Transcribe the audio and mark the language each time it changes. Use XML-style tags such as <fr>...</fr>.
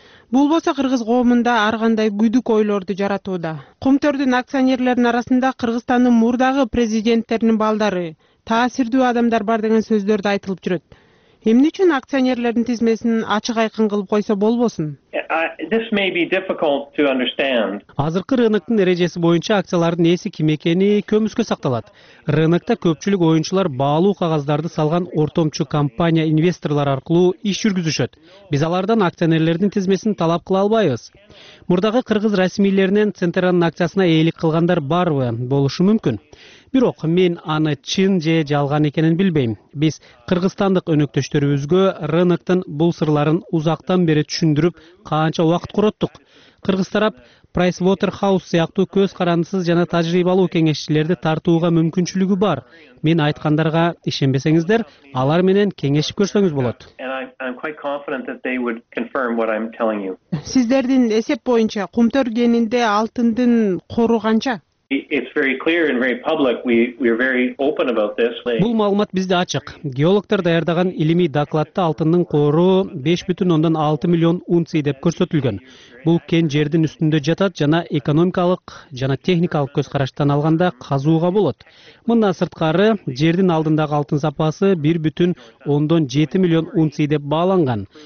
<ky>Бул болсо кыргыз коомунда ар кандай күдүк ойлорду жаратууда. Кумтөрдүн акционерлеринин арасында Кыргызстандын мурдагы президенттеринин балдары, таасирдүү адамдар бар деген сөздөрдү айтылып жүрөт. Эмне үчүн акционерлердин тизмесин ачык айкын кылып койсо болбосун?</ky> <en>This may be difficult to understand.</en> <ky>Азыркы рыноктун эрежеси боюнча акциялардын ээси ким экени көмүскө сакталат. Рынокто көпчүлүк оюнчулар баалуу кагаздарды салган ортомчу компания инвесторлор аркылуу иш жүргүзүшөт. Биз алардан акционерлердин тизмесин талап кыла албайбыз. Мурдагы кыргыз расмийлеринен Центеранын акциясына ээлик кылгандар барбы? Болушу мүмкүн. Бирок мен аны чын же жалган экенин билбейм. Биз кыргызстандык өнөктөштөрүбүзгө рыноктун бул сырларын узактан бери түшүндүрүп, канча убакыт короттук. Кыргыз тарап Pricewaterhouse сыяктуу көз карандысыз жана тажрыйбалуу кеңешчилерди тартууга мүмкүнчүлүгү бар. Мен айткандарга ишенбесеңиздер, алар менен кеңешип көрсөңүз болот. Сиздердин эсеп боюнча кумтөр кенинде алтындын кору канча?</ky> <en>It's very clear and very public. We are very open about this.</en> <ky>Бул маалымат бизде ачык. Геологтор даярдаган илимий докладта алтындын кору 5.6 миллион унций деп көрсөтүлгөн. Бул кен жердин үстүндө жатат жана экономикалык жана техникалык көз караштан алганда казууга болот. Мындан сырткары жердин алдындагы алтын запасы 1.7 миллион унций деп бааланган.</ky>